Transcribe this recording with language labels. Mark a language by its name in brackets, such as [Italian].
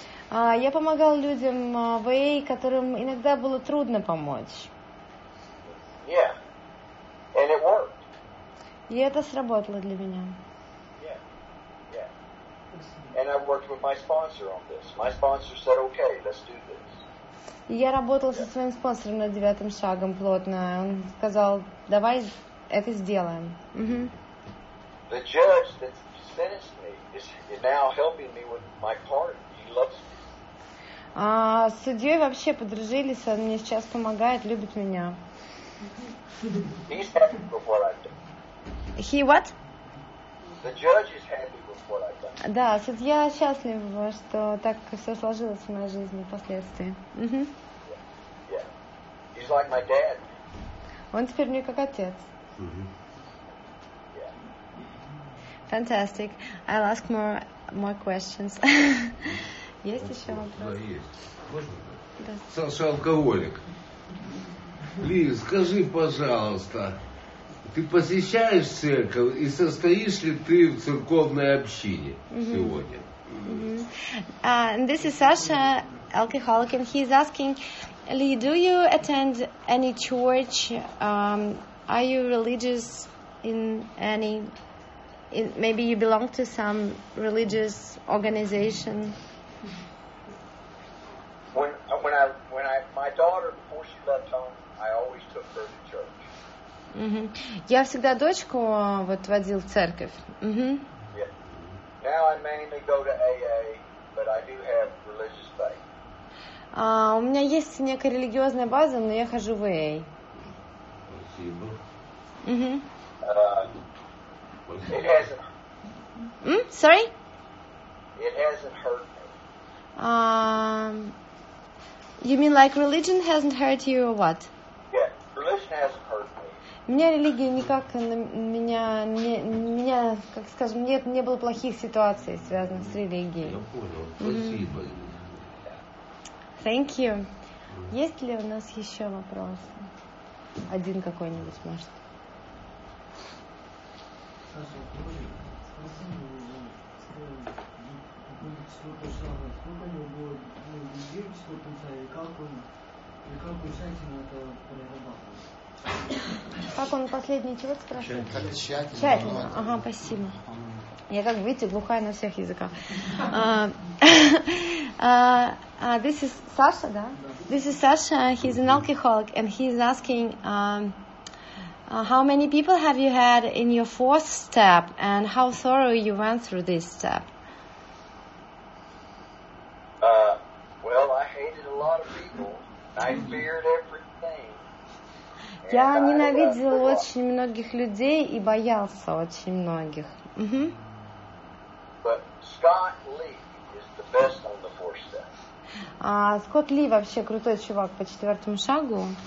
[Russian] Я помогал людям в AA, которым иногда было трудно помочь. [English] Yeah. And it worked. [Russian] И это сработало для меня. [English] Yeah. Yeah. And I worked with my sponsor on this. My sponsor said, okay, let's do this. [Russian] Я работал со своим спонсором над девятым шагом плотно. Он сказал, давай это сделаем. [English] The judge that sentenced me is now helping me with my pardon. He loves me. [Russian] С судьей вообще подружились, он мне сейчас помогает, любит меня. [English] He's happy with what I've done. He what? The judge is happy with what I've done. [Russian] Да, судья счастлив, что так все сложилось в моей жизни впоследствии. [English] Yeah. He's like my dad. [Russian] Он теперь мне как отец. [English] Yeah. Fantastic. I'll ask more questions. [Russian] Есть еще вопросы? Да, есть. Можно? Да. Саша, алкоголик. Лиз, скажи, пожалуйста, ты посещаешь церковь и состоишь ли ты в церковной общине сегодня? [English] This is Sasha, alcoholic, and he's asking, Lee, do you attend any church? Are you religious in any? Maybe you belong to some religious organization. My daughter, before she left home, I always took her to church. Mm-hmm. [Russian] Я всегда дочку вот водил в церковь. Mm-hmm. [English] Yeah. Now I mainly go to AA, but I do have religious faith. [Russian] У меня есть некая религиозная база, но я хожу в AA. Спасибо. Mm-hmm. [English] It hasn't hurt me. You mean like religion hasn't hurt you or what? Yeah, religion hasn't hurt me. [Russian] Меня религия никак на меня не как скажем, нет, не было плохих ситуаций, связанных с религией. Я понял. Спасибо. [English] Thank you. [Russian] Есть ли у нас еще вопросы? Один какой-нибудь, может. Саша, скажи, сколько у него было потенциала, и как он тщательно это прорабатывает? Как он последний чего спрашивает? Как тщательно. Тщательно. Ага, спасибо. Я как видите, глухая на всех языках. [English] This is Sasha, да? This is Sasha, he's an alcoholic, and he's asking, how many people have you had in your fourth step, and how thorough you went through this step? Well, I hated a lot of people. I feared everything. [Russian] Я ненавидел очень многих людей и боялся очень многих. [English] But Scott Lee is the best on the fourth step. [Russian] А Скотт Ли вообще крутой чувак по четвертому шагу.